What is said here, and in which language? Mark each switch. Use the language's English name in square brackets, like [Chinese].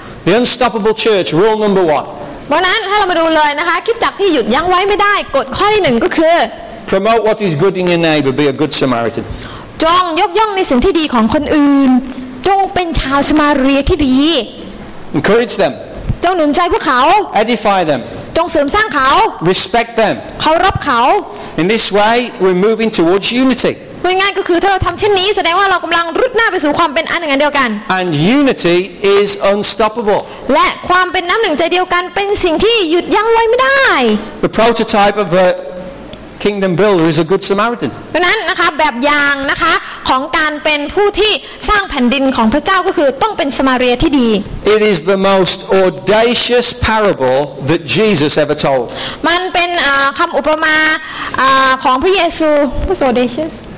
[English] The unstoppable church rule number 1. [Thai] วันนั้นให้เรามาดูเลยนะคะคิดจักที่หยุดยั้งไว้ไม่ได้กฎข้อที่1ก็คือ [English] Promote what is good in your neighbor be a good Samaritan. [Thai] จงยกย่องในสิ่งที่ดีของคนอื่นจงเป็นชาวสมาเรียที่ดี [English] Encourage them. [Thai] จงหนุนใจพวกเขา [English] Edify them. [Thai] จงเสริมสร้างเขา [English] Respect them. [Thai] เคารพเขา [English] In this way we're moving towards unity. [Thai] ง่ายง่ายก็คือถ้าเราทำเช่นนี้แสดงว่าเรากำลังรุดหน้าไปสู่ความเป็นอันหนึ่งเดียวกัน [English] And unity is unstoppable [Thai] และความเป็นน้ำหนึ่งใจเดียวกันเป็นสิ่งที่หยุดยั้งไว้ไม่ได้ [English] The prototype of a kingdom builder is a good Samaritan [Thai] เพราะนั้นนะคะแบบอย่างนะคะของการเป็นผู้ที่สร้างแผ่นดินของพระเจ้าก็คือต้องเป็นสมาเรียที่ดี [English] It is the most audacious parable that Jesus ever told [Thai] มันเป็นคำอุปมาของพระเยซู [English] What's audacious